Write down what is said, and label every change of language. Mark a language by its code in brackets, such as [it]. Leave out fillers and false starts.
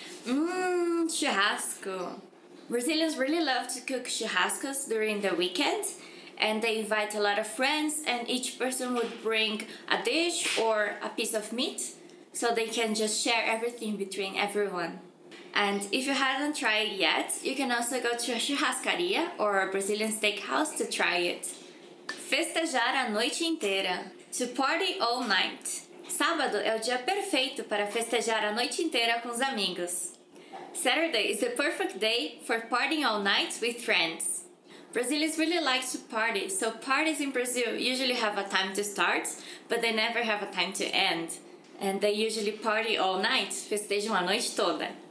[en] Churrasco. Brazilians really love to cook churrascos during the weekend and they invite a lot of friends and each person would bring a dish or a piece of meat so they can just share everything between everyone. And if you haven't tried it yet, you can also go to a churrascaria or a Brazilian steakhouse to try it. [pt] Festejar a noite inteira. [en] To party all night. [pt] Sábado é o dia perfeito para festejar a noite inteira com os amigos. [en] Saturday is the perfect day for partying all night with friends. Brazilians really like to party, so parties in Brazil usually have a time to start, but they never have a time to end. And they usually party all night, [pt] festejam a noite toda.